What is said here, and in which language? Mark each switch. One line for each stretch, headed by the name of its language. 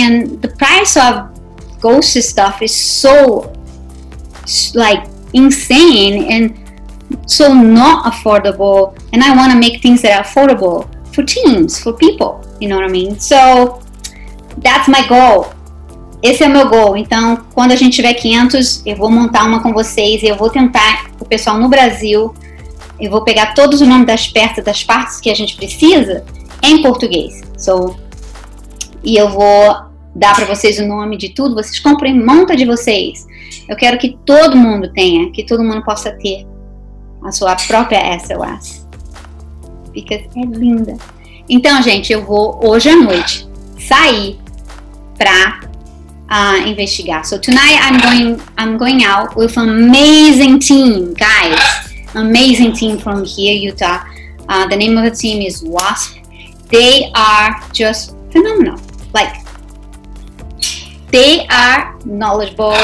English: And the price of ghost stuff is so like insane and so not affordable, and I want to make things that are affordable for teams, for people, you know what I mean? So that's my goal.
Portuguese: Esse é o meu goal. Então, quando a gente tiver 500, eu vou montar uma com vocês e eu vou tentar o pessoal no Brasil. Eu vou pegar todos os nomes das peças, das partes que a gente precisa em português. So, e eu vou dar para vocês o nome de tudo. Vocês comprem, monta de vocês. Eu quero que todo mundo tenha, que todo mundo possa ter a sua própria SOS. Because é linda. Então, gente, eu vou hoje à noite sair pra investigar.
English: So tonight I'm going out with an amazing team, guys. Amazing team from here, Utah. The name of the team is Wasp. They are just phenomenal. Like, they are knowledgeable.